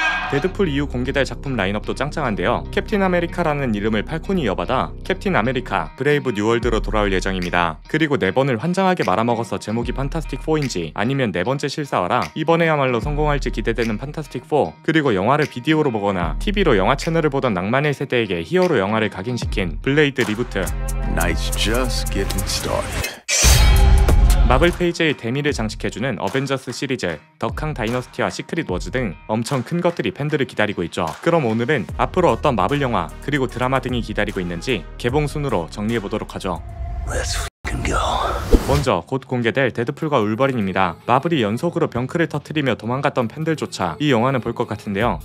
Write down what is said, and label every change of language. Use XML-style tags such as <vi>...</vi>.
<ko>데드풀 이후 공개될 작품 라인업도 짱짱한데요. 캡틴 아메리카라는 이름을 팔콘이 이어받아 캡틴 아메리카 브레이브 뉴 월드로 돌아올 예정입니다. 그리고 네 번을 환장하게 말아먹어서 제목이 판타스틱 4인지 아니면 네 번째 실사와라 이번에야말로 성공할지 기대되는 판타스틱 4, 그리고 영화를 비디오로 보거나 TV로 영화 채널을 보던 낭만의 세대에게 히어로 영화를 각인시킨 블레이드 리부트.</ko> <en>Night's just getting started.</en> <ko>마블 페이지에 대미를 장식해주는 어벤져스 시리즈, 더캉 다이너스티와 시크릿 워즈 등 엄청 큰 것들이 팬들을 기다리고 있죠. 그럼 오늘은 앞으로 어떤 마블 영화 그리고 드라마 등이 기다리고 있는지 개봉 순으로 정리해보도록 하죠.</ko> <en>Let's f***ing go.</en> <ko>먼저 곧 공개될 데드풀과 울버린입니다. 마블이 연속으로 병크를 터뜨리며 도망갔던 팬들조차 이 영화는 볼 것 같은데요.</ko>